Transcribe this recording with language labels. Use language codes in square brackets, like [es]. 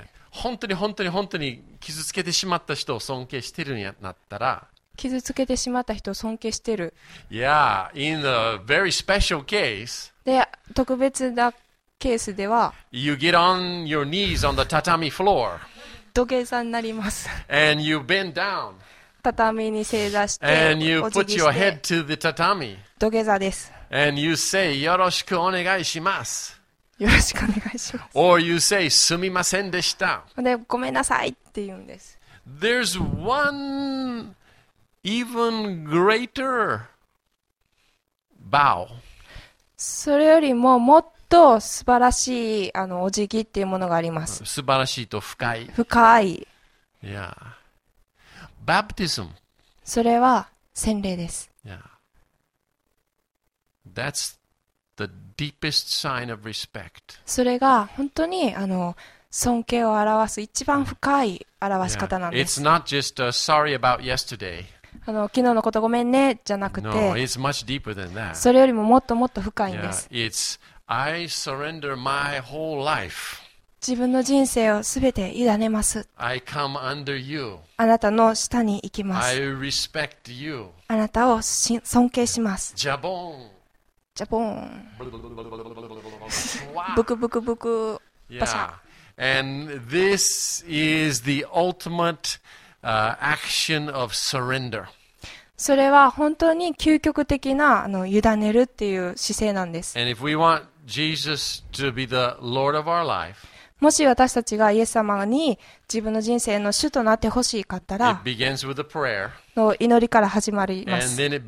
[ja] 本当に本当に本当に傷つけてしまった人を尊敬してるんやなったら。傷つけてしまった人を尊敬してる。 [en] Yeah, in a very special case. [ja] で、特別だ。ケースでは、 [en] you get on your knees on the tatami floor. [ja] 土下座になります。 [en] And you bend down. [ja] 畳に正座して、 [en] And you put your head to the tatami. [ja] 土下座です。 [en] And you say, [ja] よろしくお願いします。よろしくお願いします。 [en] Or you say, [ja] すみませんでした。で、ごめんなさいって言うんです。 [en] There's one even greater bow. [ja] それよりももっとと素晴らしいお辞儀っていうものがあります。素晴らしいと深い。深い。いや、バプティズム。それは洗礼です。 [en] いや、that's the deepest sign of respect。 [ja] それが本当に尊敬を表す一番深い表し方なんです。 Yeah. [en] It's not just a sorry about yesterday。 [ja] 昨日のことごめんねじゃなくて、 [en] no, it's much deeper than that。 [ja] それよりももっともっと深いんです。 Yeah. [en] It's I surrender my whole life. [ja] 自分の人生をすべて委ねます。 [en] I come under you. [ja] あなたの下に行きます。 [en] I respect you. [ja] あなたを尊敬します。ジャボン。ジャボン。ブクブクブク。 [en] Yeah. And this is the ultimate action of surrender. [ja] それは本当に究極的な委ねるっていう姿勢なんです。 [en] And if we want Jesus to be the Lord of our life, [ja] もし私たちがイエス様に自分の人生の主となってほしいかったら、の祈りから始まります。